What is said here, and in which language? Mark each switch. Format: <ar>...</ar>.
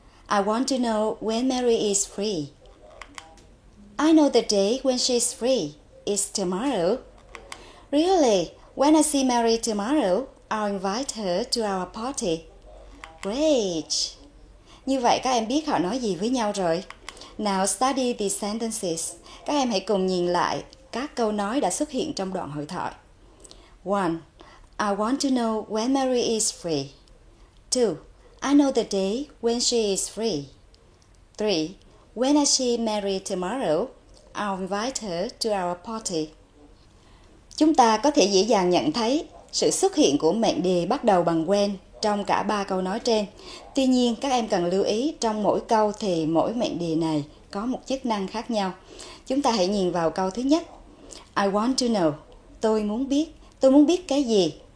<en>I want to know when Mary is free. I know the day when she's free. It's tomorrow. Really? When I see Mary tomorrow, I'll invite her to our party. Great.</en> <vi>Như vậy các em biết họ nói gì với nhau rồi.</vi> <en>Now study the sentences.</en> <vi>Các em hãy cùng nhìn lại các câu nói đã xuất hiện trong đoạn hội thoại. 1.</vi> <en>I want to know when Mary is free. 2. I know the day when she is free. 3. When I see Mary tomorrow, I'll invite her to our party.</en> <vi>Chúng ta có thể dễ dàng nhận thấy sự xuất hiện của mệnh đề bắt đầu bằng when trong cả ba câu nói trên. Tuy nhiên, các em cần lưu ý trong mỗi câu thì mỗi mệnh đề này có một chức năng khác nhau. Chúng ta hãy nhìn vào câu thứ nhất.</vi> <en>I want to know.</en> <vi>Tôi muốn biết. Tôi muốn biết cái gì?</vi>